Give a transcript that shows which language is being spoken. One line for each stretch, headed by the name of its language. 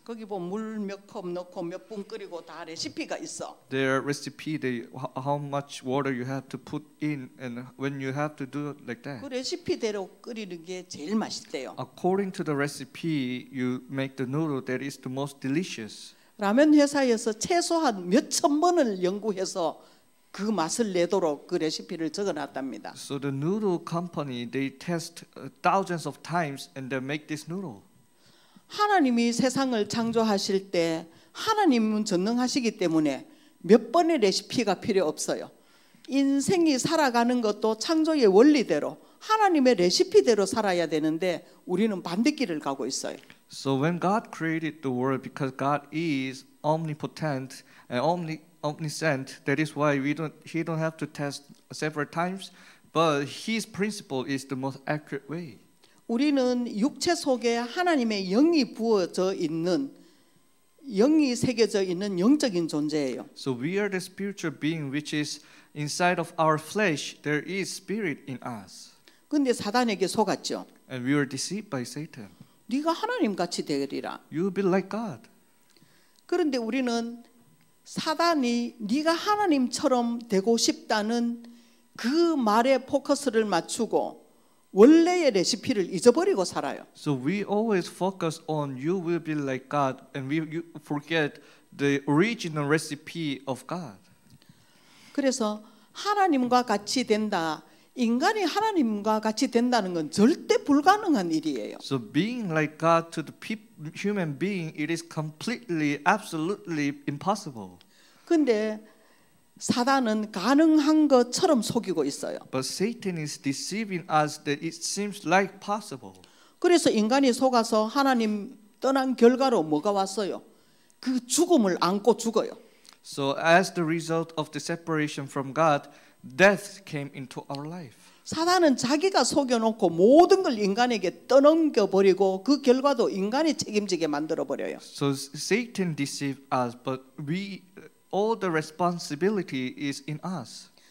Korean: 거기 보면 물 몇 컵 넣고 몇 분 끓이고 다 레시피가 있어.
English: Their recipe, how much water you have to put in and when you have to do it like that.
Korean: 그 레시피대로 끓이는 게 제일 맛있대요.
English: According to the recipe, you make the noodle that is the most delicious.
Korean: 라면 회사에서 최소한 몇 천번을 연구해서 그 맛을 내도록 그 레시피를 적어놨답니다.
English: So the noodle company, they test thousands of times and they make this noodle.
Korean: 하나님이 세상을 창조하실 때 하나님은 전능하시기 때문에 몇 번의 레시피가 필요 없어요. 인생이 살아가는 것도 창조의 원리대로 하나님의 레시피대로 살아야 되는데 우리는 반대길을 가고 있어요.
English: So when God created the world, because God is omnipotent and omniscient, that is why he don't have to test several times, but his principle is the most accurate way.
Korean: 우리는 육체 속에 하나님의 영이 부어져 있는 영이 새겨져 있는 영적인 존재예요.
English: So we are the spiritual being which is inside of our flesh. There is spirit in us.
Korean: 근데 사단에게 속았죠.
English: And we were deceived by Satan.
Korean: 네가 하나님 같이 되리라.
English: You'll be like God.
Korean: 그런데 우리는 사단이 네가 하나님처럼 되고 싶다는 그 말에 포커스를 맞추고 원래의 레시피를 잊어버리고 살아요.
English: So we always focus on you will be like God and you forget the original recipe of God.
Korean: 그래서 하나님과 같이 된다. 인간이 하나님과 같이 된다는 건 절대 불가능한 일이에요.
English: So being like God to the human being, it is completely, absolutely impossible.
Korean: 근데 사단은 가능한 것처럼 속이고 있어요.
English: But Satan is deceiving us that it seems like possible.
Korean: 그래서 인간이 속아서 하나님 떠난 결과로 뭐가 왔어요? 그 죽음을 안고 죽어요.
English: So as the result of the separation from God, death came into our life.
Korean: 사단은 자기가 속여놓고 모든 걸 인간에게 떠넘겨 버리고 그 결과도 인간이 책임지게 만들어 버려요.
English: So Satan deceived us, but all the responsibility is in us.